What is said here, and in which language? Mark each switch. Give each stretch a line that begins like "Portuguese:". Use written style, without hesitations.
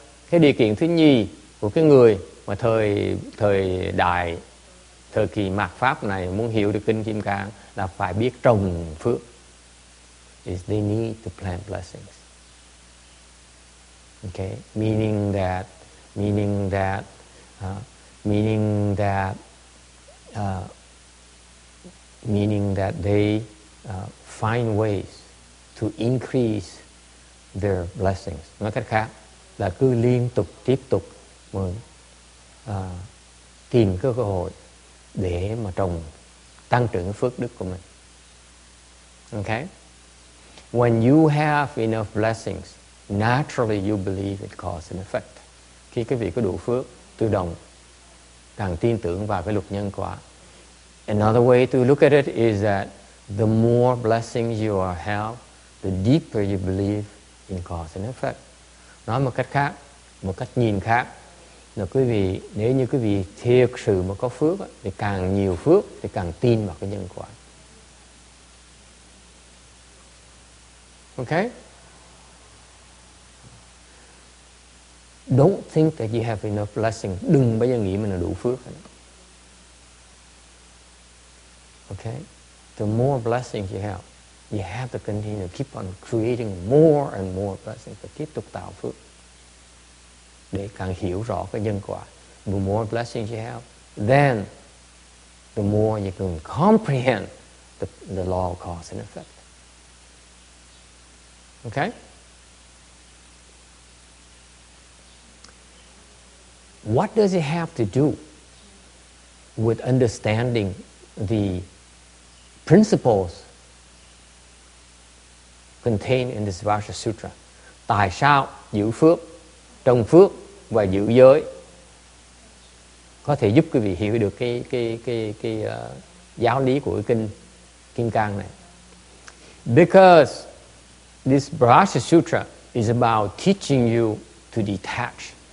Vietnamese: Cái điều kiện thứ nhì của cái người mà thời kỳ mạt pháp này muốn hiểu được kinh Kim Cang là phải biết trồng phước.
English: Is they need to plant blessings. Okay, meaning that they find ways to increase their blessings.
Vietnamese: Nói cách khác là cứ liên tục tiếp tục tìm cái cơ hội để mà tăng trưởng phước đức của mình.
English: Okay, when you have enough blessings, naturally you believe it causes an effect.
Vietnamese: Khi quý vị có đủ phước, tự động càng tin tưởng vào cái luật nhân quả.
English: Another way to look at it is that the more blessings you have, the deeper you believe in cause and effect.
Vietnamese: Nói một cách khác, một cách nhìn khác, là quý vị, nếu như quý vị thiệt sự mà có phước thì càng nhiều phước thì càng tin vào cái nhân quả.
English: Ok? Don't think that you have enough blessing.
Vietnamese: Đừng bao giờ nghĩ mình là đủ phước.
English: Ok? The more blessings you have to continue to keep on creating more and more blessings, to
Vietnamese: tiếp tục tạo phước. Để càng hiểu rõ cái nhân quả.
English: The more blessings you have, then the more you can comprehend the law of cause and effect. Okay? What does it have to do with understanding the principles contained in this Vajra Sutra?
Vietnamese: Tại sao giữ phước, trồng phước và giữ giới có thể giúp quý vị hiểu được cái giáo lý của cái kinh Kim Cang này?
English: Because this Vajra Sutra is about teaching you to detach.